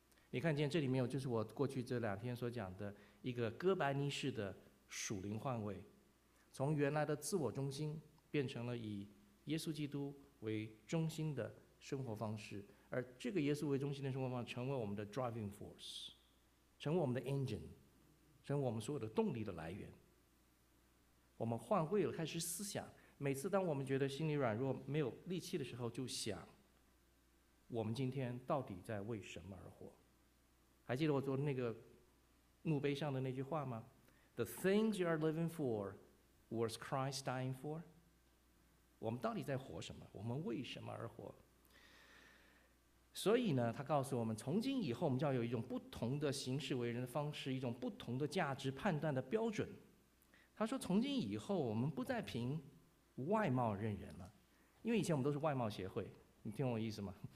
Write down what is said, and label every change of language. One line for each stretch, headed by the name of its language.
Chinese: 你看见这里面，就是我过去这两天所讲的一个哥白尼式的属灵换位，从原来的自我中心变成了以耶稣基督为中心的生活方式，而这个耶稣为中心的生活方式成为我们的 driving force， 成为我们的 engine， 成为我们所有的动力的来源。我们换位了，开始思想，每次当我们觉得心里软弱没有力气的时候，就想我们今天到底在为什么而活。还记得我做那个墓碑上的那句话吗？
English: The things you are living for was Christ dying for。
Chinese: 我们到底在活什么？我们为什么而活？所以呢，他告诉我们，从今以后我们就要有一种不同的行事为人的方式，一种不同的价值判断的标准。他说从今以后我们不再凭外貌认人了，因为以前我们都是外貌协会，你听我意思吗？